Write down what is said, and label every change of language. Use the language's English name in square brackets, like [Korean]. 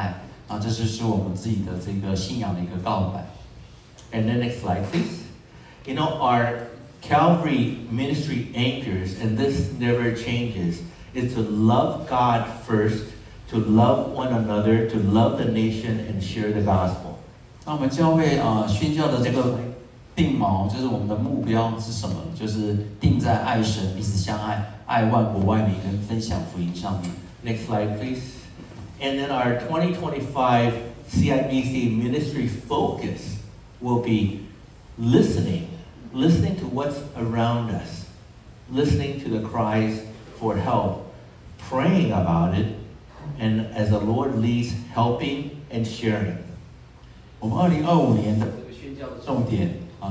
[Chinese] 各个他心学是以上帝对我们的启示圣经为中心的，通过他话语教导，我们了解他的性质、计划和他对我们的爱。那这是我们自己的这个信仰的一个告白。 [English] And then next slide, please. You know, our Calvary ministry anchors, and this never changes, is to love God first, to love one another, to love the nation, and share the gospel. [Chinese] 那我们教会宣教的这个 定锚就是我们的目标是什么？就是定在爱神，彼此相爱，爱万国万民，跟分享福音上面。 [English] Next slide, please. And then our 2025 CIBC ministry focus will be listening to what's around us, listening to the cries for help, praying about it, and as the Lord leads, helping and sharing. [Chinese] 我们2025年的这个宣教的重点。